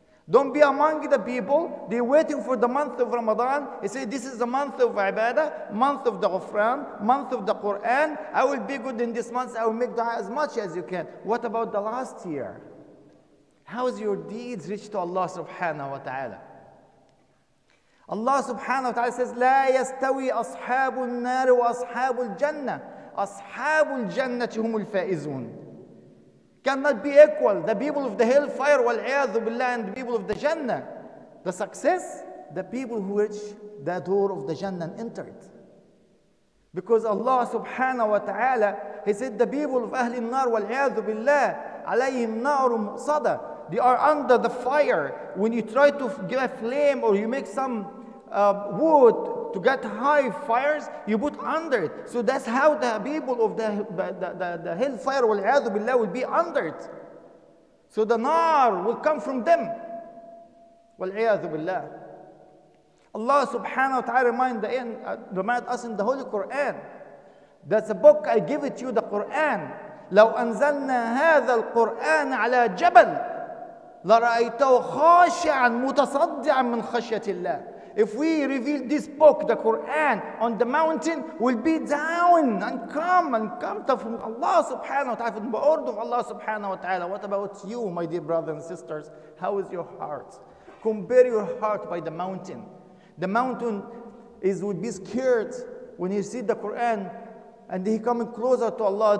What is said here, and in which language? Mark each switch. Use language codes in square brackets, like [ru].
[en] Don't be among the people, they're waiting for the month of Ramadan. They say, this is the month of Ibadah, month of the Ghufran, month of the Quran. I will be good in this month, I will make dua as much as you can. What about the last year? How is your deeds reached to Allah subhanahu wa ta'ala? Allah subhanahu wa ta'ala says, [ar] لا يستوي أصحاب النار وأصحاب الجنة. أصحاب الجنة هم الفائزون. [en] Cannot be equal. The people of the hellfire [ar] وَالْعِيَاذُ بِاللَّهِ [en] and the people of the Jannah. The success, the people who reach the door of the Jannah and enter it. Because Allah subhanahu wa ta'ala, He said, the people of [ar] أهل النار وَالْعِيَاذُ بِاللَّهِ عَلَيْهِمْ نَارٌ مُؤْصَدَةٌ. [en] They are under the fire. When you try to get a flame or you make some wood to get high fires, you put under it. So that's how the people of the hellfire wal'iyadhu billah will be under it. So the nar will come from them. Wal'iyadhu billah. Allah subhanahu wa ta'ala remind us in the Holy Quran. That's a book I give it to you, the Quran. [ar] لو أنزلنا هذا القرآن على جبل لَرَأَيْتَهُ خَاشِعًا مُتَصَدِّعًا مِّنْ خَشْيَةِ اللَّهِ. [en] If we reveal this book, the Quran, on the mountain, we'll be down and come to Allah subhanahu wa ta'ala, from the order of Allah subhanahu wa ta'ala. What about you, my dear brothers and sisters? How is your heart? Compare your heart by the mountain. The mountain would be scared when you see the Quran and he coming closer to Allah.